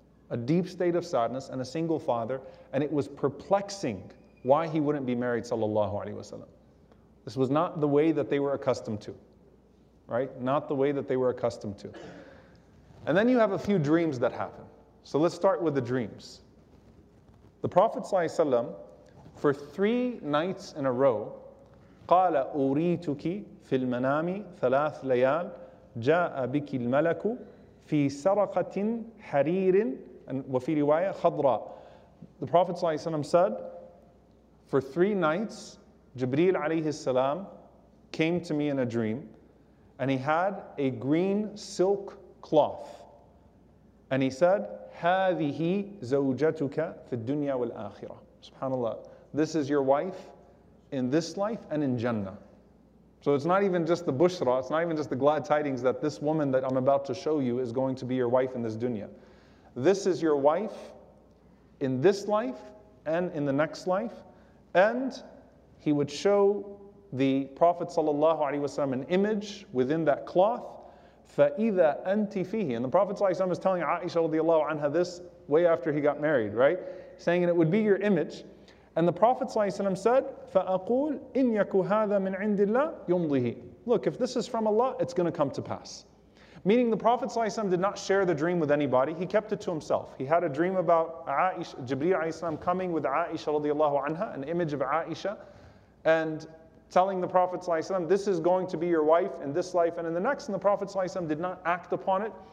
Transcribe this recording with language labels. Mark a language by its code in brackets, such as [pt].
[en] A deep state of sadness and a single father. And it was perplexing why he wouldn't be married sallallahu alayhi wasallam. This was not the way that they were accustomed to. Right? Not the way that they were accustomed to. And then you have a few dreams that happen. So let's start with the dreams. The Prophet ﷺ, for 3 nights in a row, [ar] قَالَ أُورِيتُكِ فِي الْمَنَامِ ثَلَاثْ لَيَالٍ جَاءَ بِكِ الْمَلَكُ فِي سَرَقَةٍ حَرِيرٍ وَفِي رِوَايَةٍ خَضْرًا. [en] The Prophet ﷺ said, for 3 nights, Jibreel عليه السلام came to me in a dream, and he had a green silk cloth. And he said, [ar] هَذِهِ زَوْجَتُكَ فِي الدُّنْيَا وَالْآخِرَةِ. [en] SubhanAllah. This is your wife in this life and in Jannah. So it's not even just the bushra, it's not even just the glad tidings that this woman that I'm about to show you is going to be your wife in this dunya. This is your wife in this life and in the next life. And he would show the Prophet sallallahu alaihi wasallam an image within that cloth. [ar] فَإِذَا أَنْتِ فِيهِ. [en] And the Prophet sallallahu alaihi wasallam is telling Aisha radiallahu anha this way after he got married, right? Saying it would be your image. And the Prophet ﷺ said, [ar] فَأَقُولْ إِنْ يَكُ هَذَا مِنْ عِنْدِ اللَّهِ يُمْضِهِ. [en] Look, if this is from Allah, it's going to come to pass. Meaning the Prophet ﷺ did not share the dream with anybody. He kept it to himself. He had a dream about Aisha, Jibreel ﷺ coming with Aisha radiallahu anha, an image of Aisha, and telling the Prophet ﷺ, this is going to be your wife in this life and in the next. And the Prophet ﷺ did not act upon it.